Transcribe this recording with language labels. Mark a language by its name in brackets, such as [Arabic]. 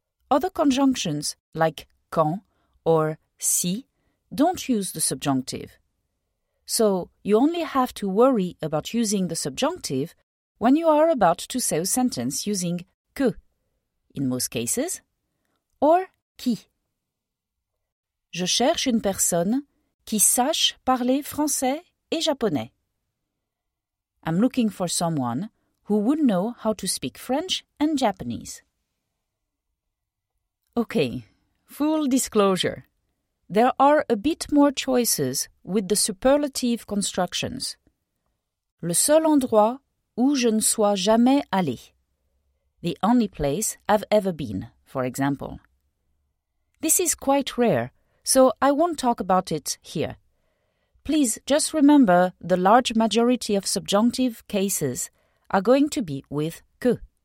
[English] Other conjunctions like quand or si don't use the subjunctive. So you only have to worry about using the subjunctive when you are about to say a sentence using que, in most cases, or qui. [French] Je cherche une personne qui sache parler français et japonais. [English] I'm looking for someone who would know how to speak French and Japanese. Okay, full disclosure. There are a bit more choices with the superlative constructions. [French] Le seul endroit où je ne sois jamais allé. [English] The only place I've ever been, for example. This is quite rare, so I won't talk about it here. Please just remember the large majority of subjunctive cases are going to be with que.